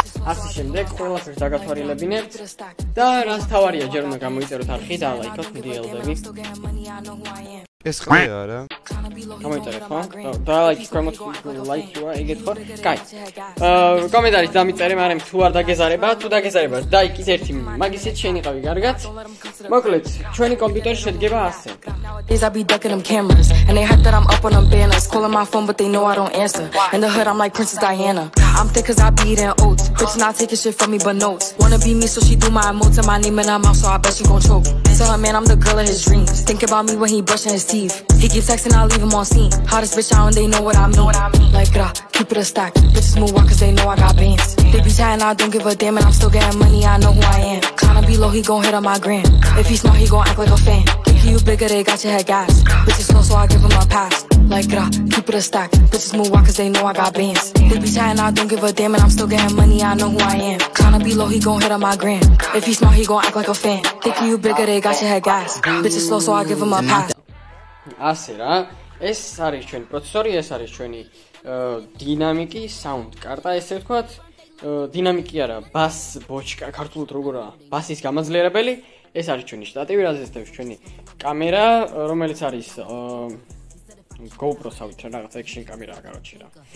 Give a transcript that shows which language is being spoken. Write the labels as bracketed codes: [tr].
[ka] ასე შემდეგ ყველას დაგათვალიერებინებთ და რას თავარია ჯერ უნდა გამოიწეროთ არხი და ლაიქოთ ვიდეოები. ეს ხმა არა. კომენტარი ხო? და ლაიქი კომენტ ლაიქი რა იგეთ ხო? კაი. კომენტარი დამიწერე, მაგრამ თუ არ დაგეზარება, თუ დაგეზარება, და იქით ერთი მაგისი შენ იყავი კარგად. მოკლედ, ჩვენი კომპიუტერი შედგება ასე. [en] These I be ducking them cameras and they hate that I'm up on them banners calling my phone but they know I don't answer and the hood I'm like Princess Diana. I'm thick cuz I be eating oats. Bitch not taking shit from me but notes. Wanna be me so she do my emotes and my name and I'm out so I bet she gon' choke. Tell her man I'm the girl of his dreams. Think about me when he brushing his teeth. He keeps texting, I'll leave him on scene. Hottest bitch out and they know what I mean. Like rah, keep it a stack. Bitches move wild cause they know I got bands. They be chatting, I don't give a damn. And I'm still getting money, I know who I am. Kinda be low, he gon' hit on my gram. If he smart, he gon' act like a fan. Think you bigger, they got your head gas. Bitches close, so I give him a pass. Like rah, keep it a stack. Bitches move wild cause they know I got bands. They be chatting, I don't give a damn. And I'm still getting money, I know who I am. Kinda be low, he gon' hit on my gram. If he smart, he gon' act like a fan. Think you bigger, they got your head gas. Bitches slow, so I give him a pass. [ka] ასე რა, ეს არის ჩვენი პროცესორი, ეს არის ჩვენი დინამიკი საუნდ კარტა, ესე ვთქვათ. დინამიკი არა, ბას ბოჭკა, ქართულად როგორა, ბასის გამაძლიერებელი. ეს არის ჩვენი შტატივი, რაზე ეცდებს ჩვენი კამერა, რომელიც არის GoPro-ს ავით რაღაც action კამერაა, კაროჩი რა.